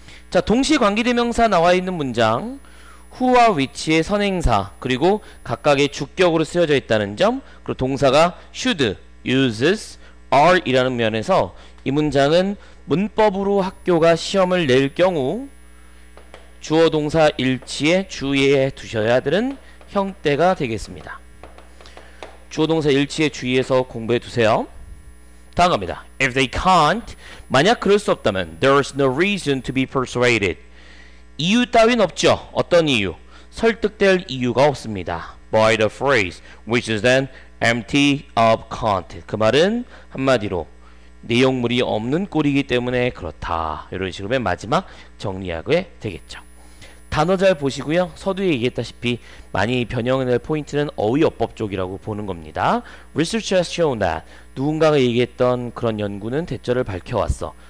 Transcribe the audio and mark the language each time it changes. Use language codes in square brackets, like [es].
[ko] 자, 동시에 관계대명사 나와있는 문장 who와 which의 선행사 그리고 각각의 주격으로 쓰여져 있다는 점 그리고 동사가 should, uses, are 이라는 면에서 이 문장은 문법으로 학교가 시험을 낼 경우 주어 동사 일치에 주의해 두셔야 되는 형태가 되겠습니다. 주어 동사 일치에 주의해서 공부해 두세요. 다음 갑니다. [en] If they can't, [ko] 만약 그럴 수 없다면 [en] There is no reason to be persuaded. [ko] 이유 따윈 없죠. 어떤 이유? 설득될 이유가 없습니다. [en] By the phrase, which is then empty of content. [ko] 그 말은 한마디로 내용물이 없는 꼴이기 때문에 그렇다. 이런 식으로 마지막 정리하게 되겠죠. 단어 잘 보시고요. 서두에 얘기했다시피 많이 변형될 포인트는 어휘어법 쪽이라고 보는 겁니다. [en] Research has shown that [ko] 누군가가 얘기했던 그런 연구는 대절을 밝혀왔어.